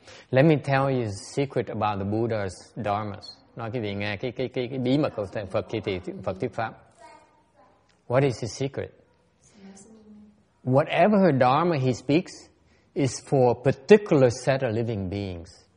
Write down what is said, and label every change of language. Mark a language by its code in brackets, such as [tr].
[en] Let me tell you a secret about the Buddha's dharmas. [vi] Nói cái gì nghe, cái bí mật của Phật khi thì Phật thuyết pháp. [en] What is his secret? Whatever dharma he speaks is for a particular set of living beings.